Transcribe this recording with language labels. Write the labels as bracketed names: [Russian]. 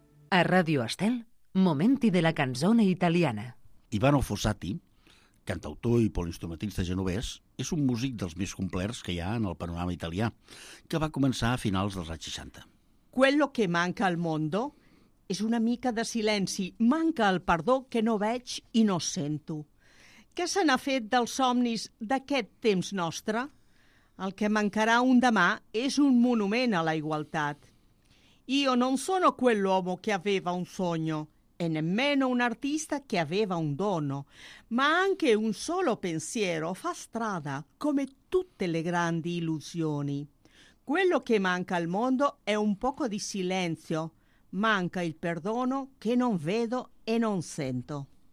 [Catalan] A Radio Estel, Momenti della canzone italiana. Ivano Fossati, cantautor i polinstrumentista genovès, és un músic dels més complets que hi ha en el panorama italià, que va començar a finals dels anys 60. [Italian] Quello que manca al mondo [Catalan] és una mica de silenci, manca el perdó que no veig i no sento. Què se n'ha fet dels somnis d'aquest temps nostre? El que mancarà un demà és un monument a la igualtat. [Italian] Io non sono quell'uomo che aveva un sogno, e nemmeno un artista che aveva un dono, ma anche un solo pensiero fa strada come tutte le grandi illusioni. Quello che manca al mondo è un poco di silenzio, manca il perdono che non vedo e non sento.